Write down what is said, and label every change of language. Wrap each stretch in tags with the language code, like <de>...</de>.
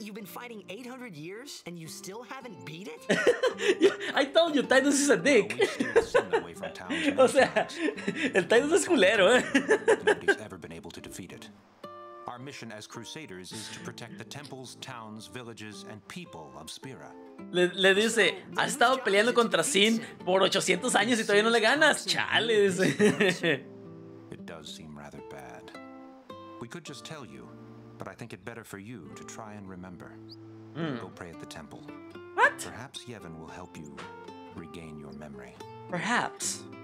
<en>You've been fighting 800 years and you still haven't beat it? I told you, Titus is a dick. Well, we still send away from town.</en> <es>O sea, el Titus es culero, eh?</es> <en>Nobody's ever been able to defeat it. Our mission as Crusaders is to protect the temples, towns, villages, and people of Spira.</en> <es>Le dice, has estado peleando contra Sin por 800 años y todavía no le ganas. Chales.</es> <en>It does seem rather bad. We could just tell you, but I think it better for you to try and remember. Go pray at the temple. What? Perhaps Yevon will help you regain your memory. Perhaps.</en>